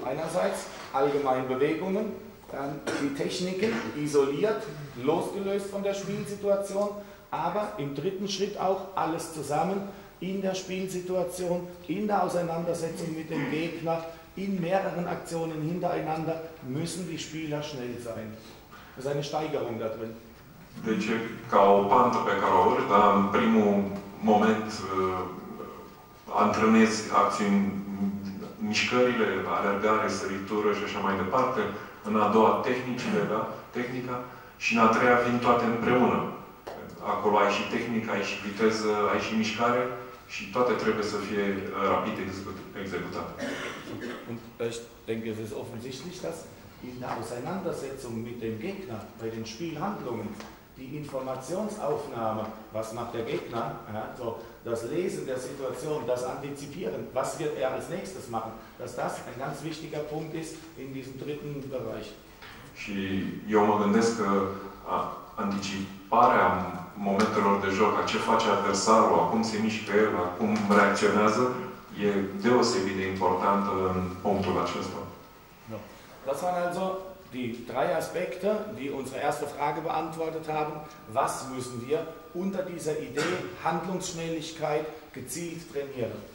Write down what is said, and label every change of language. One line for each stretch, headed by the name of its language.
German: Einerseits allgemeine Bewegungen, dann die Techniken isoliert, losgelöst von der Spielsituation, aber im dritten Schritt auch alles zusammen in der Spielsituation, in der Auseinandersetzung mit dem Gegner, in mehreren Aktionen hintereinander müssen die Spieler schnell sein. Das ist eine Steigerung da drin.
Romanian: Deci, ca o pantă pe care o urc, dar în primul moment antrenez acțiuni, mișcările, alergare, săritură și așa mai departe, în a doua tehnicile, da? Tehnica, și în a treia vin toate împreună. Acolo ai și tehnică, ai și viteză, ai și mișcare și toate trebuie să fie rapid executate.
German: Und ich denke, es ist offensichtlich, dass in der Auseinandersetzung mit dem Gegner, bei den Spielhandlungen, die Informationsaufnahme, was macht der Gegner, ja, so, das Lesen der Situation, das Antizipieren, was wird er als nächstes machen, dass das ein ganz wichtiger Punkt ist in diesem dritten Bereich.
Romanian: Și eu mă gândesc că anticiparea momentelor de joc, a ce face adversarul, a cum se mișcă el, a cum reacționează, e deosebit de important în punctul acesta. No.
German: Das waren also die drei Aspekte, die unsere erste Frage beantwortet haben. Was müssen wir unter dieser Idee Handlungsschnelligkeit gezielt trainieren?